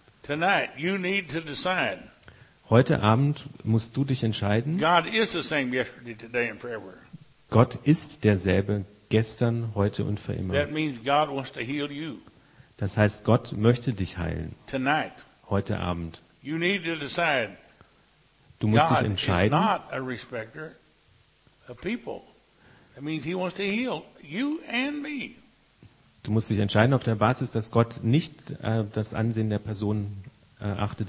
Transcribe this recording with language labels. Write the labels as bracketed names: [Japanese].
[English] Tonight you need to decide. [German] Heute Abend musst du dich entscheiden. [English] God is the same yesterday, today and forever. [German] Gott ist derselbe gestern, heute und für immer. [English] That means God wants to heal you. [German] Das heißt, Gott möchte dich heilen. [English] Tonight. [German] Heute Abend. [English] You need to decide. [German] Du musst dich entscheiden. [English] God is not a respecter of people. That means he wants to heal you and me. [German] Du musst dich entscheiden auf der Basis, dass Gott nicht das Ansehen der Person achtet.